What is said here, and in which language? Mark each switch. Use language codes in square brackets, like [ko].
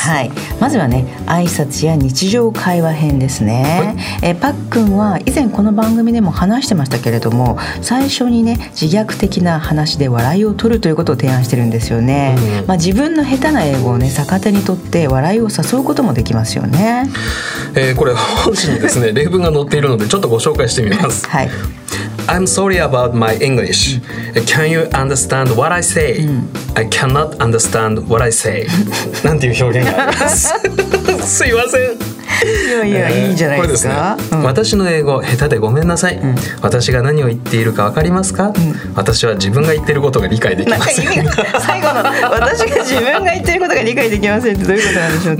[ja] はい、まずはね挨拶や日常会話編ですね、はい、パックンは以前この番組でも話してましたけれども、最初にね自虐的な話で笑いを取るということを提案してるんですよね、うん、まあ、自分の下手な英語をね逆手にとって笑いを誘うこともできますよね、これ本紙にですね例文が載っているのでちょっとご紹介してみます、はい、 [en] I'm sorry about my English. Can you understand what I say?、うん、I cannot understand what I say. [ja] なんていう表現があります。すいません。いやいや、いいじゃないですか。これですね、うん、私の英語下手でごめんなさい、うん、私が何を言っているか分かりますか、うん、私は自分が言っていることが理解できません。最後の私が自分が言っていることが理解できませんってどういうことなんでしょうか。